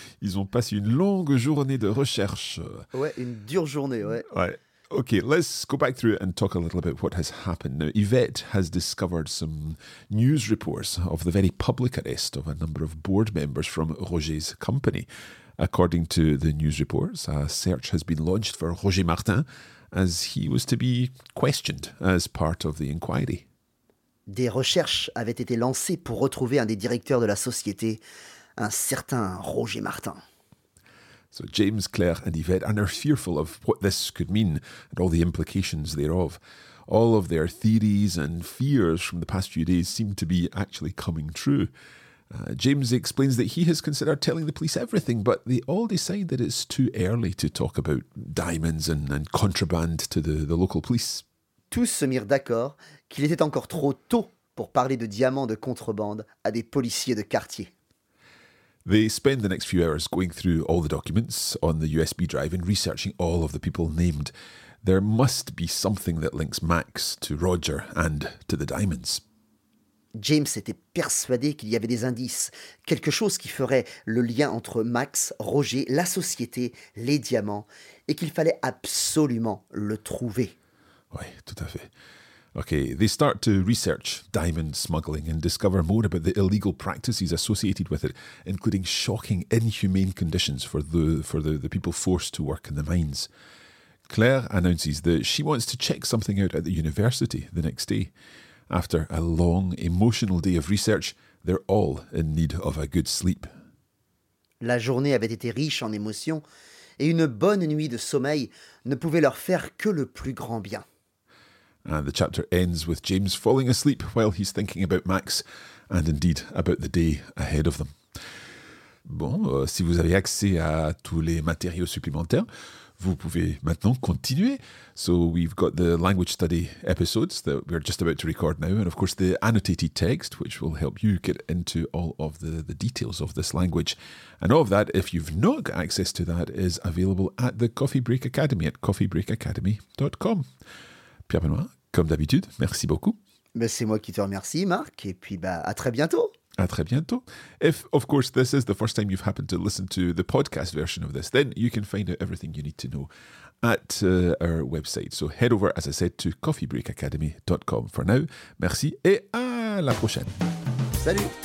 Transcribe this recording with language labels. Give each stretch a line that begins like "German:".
French: Ils ont passé une longue journée de recherche. Ouais, une dure journée, ouais. Ouais.
English: Okay, let's go back through and talk a little bit what has happened. Now, Yvette has discovered some news reports of the very public arrest of a number of board members from Roger's company. According to the news reports, a search has been launched for Roger Martin, as he was to be questioned as part of the inquiry.
French: Des recherches avaient été lancées pour retrouver un des directeurs de la société, un certain Roger Martin.
English: So James, Claire and Yvette are now fearful of what this could mean and all the implications thereof. All of their theories and fears from the past few days seem to be actually coming true. James explains that he has considered telling the police everything, but they all decide that it's too early to talk about diamonds and contraband to the local police.
French: Tous se mirent d'accord qu'il était encore trop tôt pour parler de diamants de contrebande à des policiers de quartier.
English: They spend the next few hours going through all the documents on the USB drive and researching all of the people named. There must be something that links Max to Roger and to the diamonds.
French: James était persuadé qu'il y avait des indices, quelque chose qui ferait le lien entre Max, Roger, la société, les diamants, et qu'il fallait absolument le trouver. Oui, tout à fait.
English: Okay, they start to research diamond smuggling and discover more about the illegal practices associated with it, including shocking, inhumane conditions for the people forced to work in the mines. Claire announces that she wants to check something out at the university the next day. After a long, emotional day of research, they're all in need of a good sleep.
French: La journée avait été riche en émotions, et une bonne nuit de sommeil ne pouvait leur faire que le plus grand bien.
English: And the chapter ends with James falling asleep while he's thinking about Max and indeed about the day ahead of them.
French: Bon, si vous avez accès à tous les matériaux supplémentaires, vous pouvez maintenant continuer.
English: So we've got the language study episodes that we're just about to record now and of course the annotated text which will help you get into all of the details of this language. And all of that, if you've not got access to that, is available at the Coffee Break Academy at coffeebreakacademy.com.
French: Pierre Benoît, comme d'habitude, merci beaucoup. Mais c'est moi qui te remercie, Marc, et puis à très bientôt. À très bientôt.
English: If, of course, this is the first time you've happened to listen to the podcast version of this, then you can find out everything you need to know at our website. So head over, as I said, to coffeebreakacademy.com. For now,
French: merci et à la prochaine. Salut.